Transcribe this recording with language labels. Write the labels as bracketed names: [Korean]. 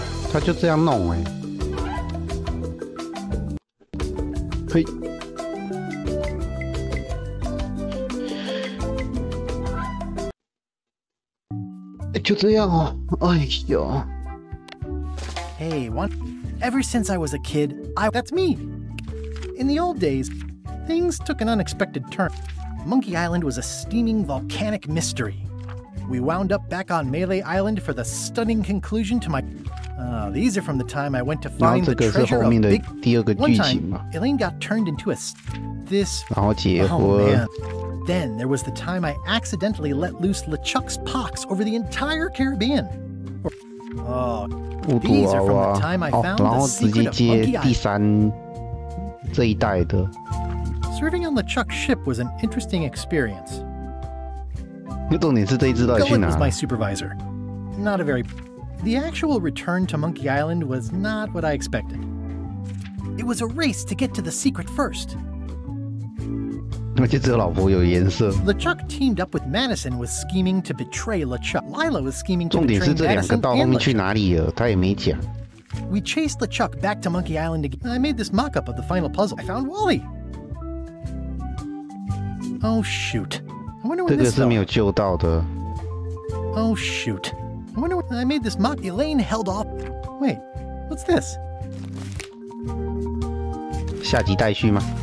[Chinese] 他就这样弄哎、欸，嘿，就这样哦，哎呦 [English] ！Hey, one. Ever since I was a kid, I—that's me. In the old days, things took an unexpected turn. Monkey Island was a steaming volcanic mystery. We wound up back on Melee Island for the stunning conclusion to my. These are from the time I went to find the treasure of Big... One time, Elaine got turned into a... This... Oh, man. Then there was the time I accidentally let loose LeChuck's pox over the entire Caribbean. Oh, these are from the time I found the secret of Monkey Island. Serving on LeChuck's ship was an interesting experience. Gullet was my supervisor. Not a very... The actual return to Monkey Island was not what I expected. It was a race to get to the secret first. LeChuck teamed up with Madison was scheming to betray LeChuck. Lila was scheming to betray Madison and LeChuck. [Chinese] 重点是这两个到后面去哪里了，他也没讲。 [English] We chased LeChuck back to Monkey Island again. I made this mock-up of the final puzzle. I found Wally. Oh, shoot. I wonder when this is. [Chinese] 这个是没有救到的。 [English] Oh, shoot. I wonder when I made this mock. Elaine held off. Wait, what's this? [Chinese] 下集待续吗？